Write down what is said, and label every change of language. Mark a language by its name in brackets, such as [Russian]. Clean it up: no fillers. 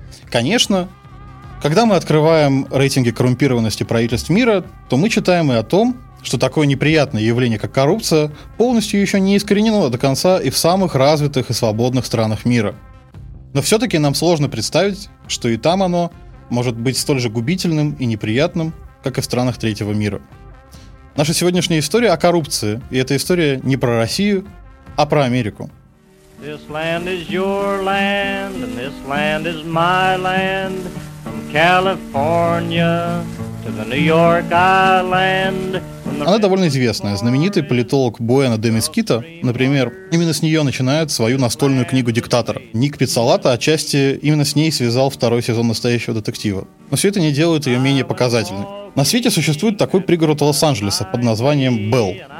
[Russian] Конечно, когда мы открываем рейтинги коррумпированности правительств мира, то мы читаем и о том, что такое неприятное явление, как коррупция, полностью еще не искоренено до конца и в самых развитых и свободных странах мира. Но все-таки нам сложно представить, что и там оно может быть столь же губительным и неприятным, как и в странах третьего мира. Наша сегодняшняя история о коррупции, и эта история не про Россию, а про Америку. [English] This land is your land, and this land is my land, from California to the New York Island. [Russian] Она довольно известная, знаменитый политолог Буэна де Мескита, например, именно с нее начинает свою настольную книгу «Диктатор». Ник Пиццолатто отчасти именно с ней связал второй сезон «Настоящего детектива». Но все это не делает ее менее показательной. На свете существует такой пригород Лос-Анджелеса под названием Белл.